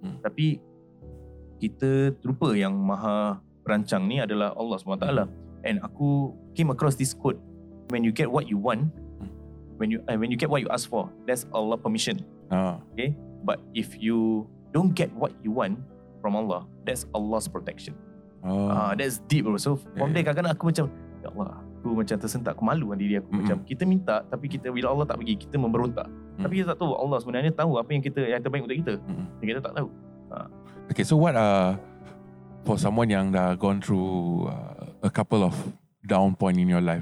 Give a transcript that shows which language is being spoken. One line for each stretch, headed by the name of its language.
Malay: Tapi kita terlupa yang maha perancang ni adalah Allah SWT.
English: And aku came across this quote, when you get what you want, when you get what you ask for, that's Allah permission. Okay, but if you don't get what you want from Allah, that's Allah's protection. That's deep bro.
Malay: So from there, kadang-kadang aku macam, ya Allah, aku macam tersentak, aku malu dengan diri aku. Macam kita minta, tapi kita bila Allah tak bagi, kita memberontak. Tapi kita tak tahu Allah sebenarnya tahu apa yang kita, yang terbaik untuk kita. Kita tak tahu.
English: Okay, so what for someone yang dah gone through a couple of down point in your life.